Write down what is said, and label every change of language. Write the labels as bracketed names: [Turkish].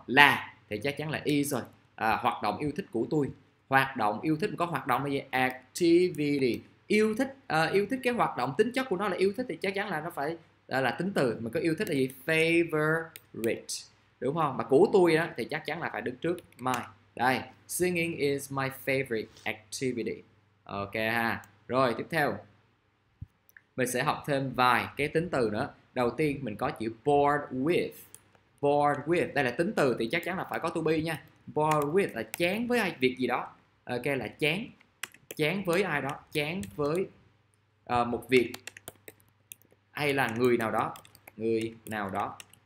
[Vietnamese] Là thì chắc chắn là is rồi. Hoạt động yêu thích của tôi. Hoạt động yêu thích có hoạt động là gì? Activity. Yêu thích cái hoạt động tính chất của nó là yêu thích thì chắc chắn là nó phải là tính từ. Mà có yêu thích là gì? Favorite. Đúng không? Mà của tôi á thì chắc chắn là phải đứng trước my. [English] Đây, singing is my favorite activity. [Vietnamese] Ok ha. Rồi, tiếp theo. Mình sẽ học thêm vài cái tính từ nữa. Đầu tiên mình có chữ bored with. Bored with, đây là tính từ thì chắc chắn là phải có to be nha. Bored with là chán với ai việc gì đó. Ok, là chán. Chán với ai đó, chán với một việc hay là người nào đó, người nào đó.